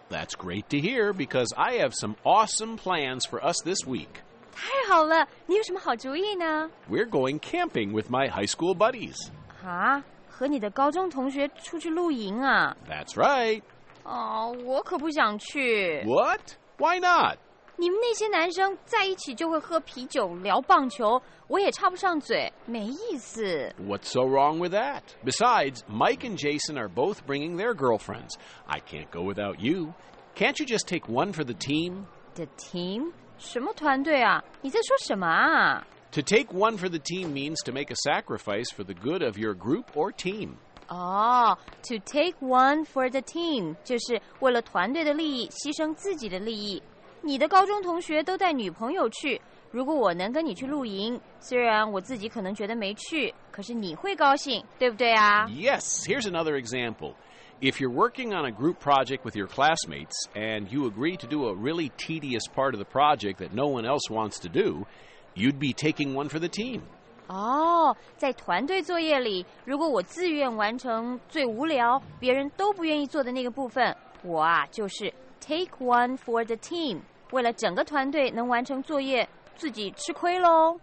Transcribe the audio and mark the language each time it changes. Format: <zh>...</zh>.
<en>That's great to hear, because I have some awesome plans for us this week.</en> <zh>太好了，你有什么好主意呢？</zh> <en>We're going camping with my high school buddies.</en> <zh>啊，和你的高中同学出去露营啊？</zh> <en>That's right.</en> <zh>哦，我可不想去。</zh> <en>What? Why not?</en> <zh>你们那些男生在一起就会喝啤酒、聊棒球，我也插不上嘴，没意思。</zh> <en>What's so wrong with that? Besides, Mike and Jason are both bringing their girlfriends. I can't go without you. Can't you just take one for the team? The team?</en> <zh>什么团队啊？你在说什么啊？</zh> <en>To take one for the team means to make a sacrifice for the good of your group or team. Oh, to take one for the team</en> <zh>就是为了团队的利益牺牲自己的利益。你的高中同学都带女朋友去，如果我能跟你去露营，虽然我自己可能觉得没趣，可是你会高兴，对不对啊？</zh> <en>Yes, here's another example. If you're working on a group project with your classmates, and you agree to do a really tedious part of the project that no one else wants to do, you'd be taking one for the team.</en> <zh>哦，在团队作业里，如果我自愿完成最无聊、别人都不愿意做的那个部分，我啊，就是</zh> <en>take one for the team，</en> <zh>为了整个团队能完成作业，自己吃亏咯。</zh>